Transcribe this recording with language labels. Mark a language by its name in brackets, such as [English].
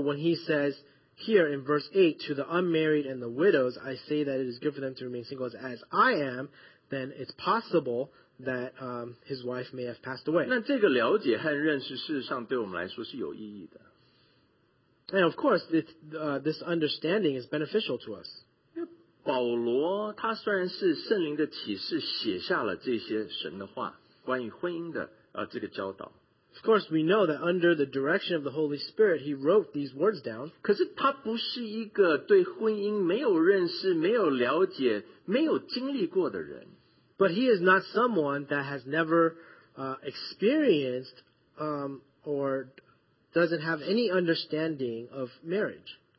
[English] when he says here in verse 8, to the unmarried and the widows, I say that it is good for them to remain single as I am, then it's possible that his wife may have passed away. [Chinese] 那这个了解和认识事实上对我们来说是有意义的。 [English] And of course, this understanding is beneficial to us. [Chinese] 保罗他虽然是圣灵的启示写下了这些神的话关于婚姻的这个教导。 [English] Of course, we know that under the direction of the Holy Spirit, he wrote these words down. [Chinese] 可是他不是一个对婚姻没有认识、没有了解、没有经历过的人。 [English] But he is not someone that has never experienced or doesn't have any understanding of marriage.